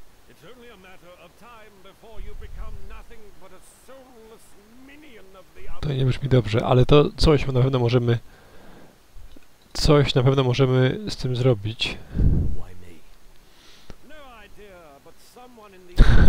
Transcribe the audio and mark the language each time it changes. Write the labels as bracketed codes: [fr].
[en] It's only a matter of time before you become nothing but a soulless minion of the other. [pl] To nie brzmi dobrze, ale to coś na pewno możemy. Coś na pewno możemy z tym zrobić. [en] Why me? No idea, but someone in the